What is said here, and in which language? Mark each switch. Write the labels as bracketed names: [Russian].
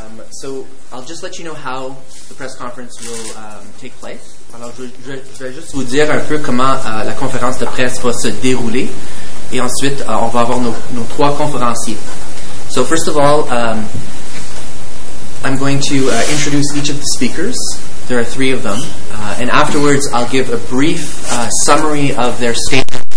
[English] So I'll just let you know how the press conference will take place. [French] Alors, je vais juste vous dire un peu comment la conférence de presse va se dérouler. Et ensuite, on va avoir nos trois conférenciers. [English] So first of all, I'm going to introduce each of the speakers. There are three of them. And afterwards, I'll give a brief summary of their statement.